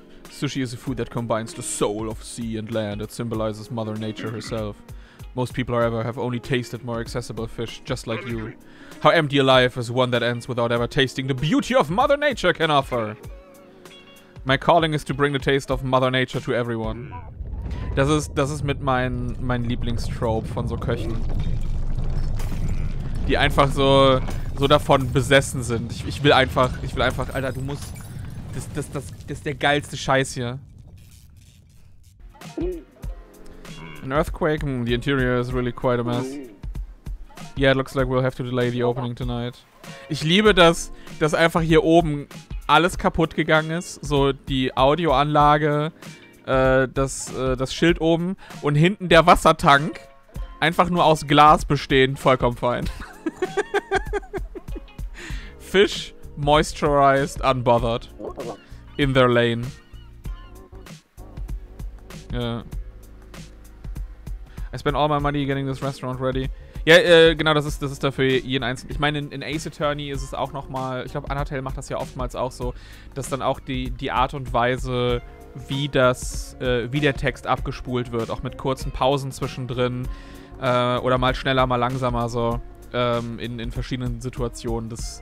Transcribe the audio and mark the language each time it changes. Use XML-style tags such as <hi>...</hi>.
<en>Sushi is a food that combines the soul of sea and land. It symbolizes Mother Nature herself. Most people ever have only tasted more accessible fish, just like you. How empty a life is one that ends without ever tasting the beauty of Mother Nature can offer. My calling is to bring the taste of Mother Nature to everyone.</en> <de>Das ist mit mein Lieblingstrope von so Köchen. Die einfach so davon besessen sind. Ich will einfach, Alter, du musst. Das ist der geilste Scheiß hier.</de> <en>An earthquake? The interior is really quite a mess. Yeah, it looks like we'll have to delay the opening tonight.</en> <de>Ich liebe das, dass einfach hier oben alles kaputt gegangen ist. So die Audioanlage. Das Schild oben und hinten der Wassertank einfach nur aus Glas bestehend, vollkommen fein.</de> <en>Fish moisturized, unbothered. In their lane. Yeah. I spent all my money getting this restaurant ready.</en> <de>Ja, genau, das ist dafür jeden Einzelnen. Ich meine, in Ace Attorney ist es auch nochmal, ich glaube, Undertale macht das ja oftmals auch so, dass dann auch die Art und Weise, wie der Text abgespult wird, auch mit kurzen Pausen zwischendrin oder mal schneller, mal langsamer so in verschiedenen Situationen.</de>